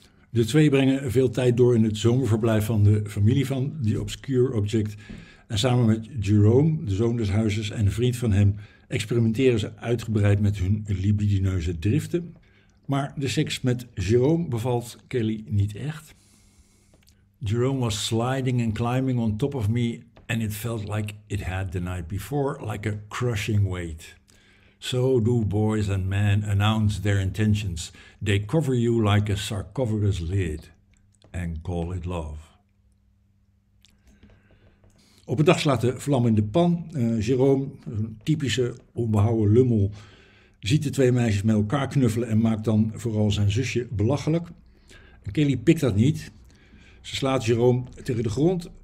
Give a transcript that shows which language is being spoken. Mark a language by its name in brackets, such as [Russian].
[Dutch] De 2 brengen veel tijd door in het zomerverblijf van de familie van The Obscure Object. En samen met Jerome, de zoon des huizes en een vriend van hem, experimenteren ze uitgebreid met hun libidineuze driften. Maar de seks met Jerome bevalt Kelly niet echt. [English] Jerome was sliding and climbing on top of me. And it felt like it had the night before, like a crushing weight. So do boys and men announce their intentions. They cover you like a sarcophagus lid and call it love. [Dutch] Op een dag slaat de vlam in de pan. Jerome, een typische onbehouden lummel, ziet de 2 meisjes met elkaar knuffelen en maakt dan vooral zijn zusje belachelijk. En Kelly pikt dat niet. Ze slaat Jerome tegen de grond.